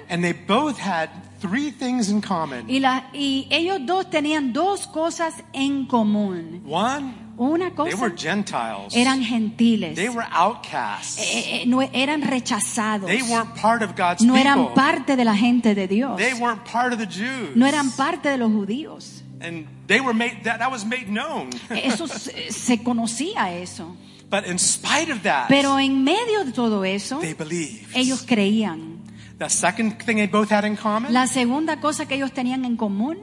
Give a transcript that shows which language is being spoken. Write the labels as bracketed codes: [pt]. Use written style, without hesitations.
[en] And they both had three things in common. [es] Y ellos dos tenían dos cosas en común. [en] One. [es] Una cosa, [en] they were Gentiles. [es] Eran gentiles. [en] They were outcasts. [es] No, eran rechazados. [en] They weren't part of God's [es] no eran [en] people. [es] Parte de la gente de Dios. [en] They weren't part of the Jews. [es] No eran parte de los judíos. [en] And they were made, that was made known. [es] Eso se conocía eso. [en] But in spite of that, [es] pero en medio de todo eso, [en] they believed. [es] Ellos creían. [en] The second thing they both had in common. [es] La segunda cosa que ellos tenían en común.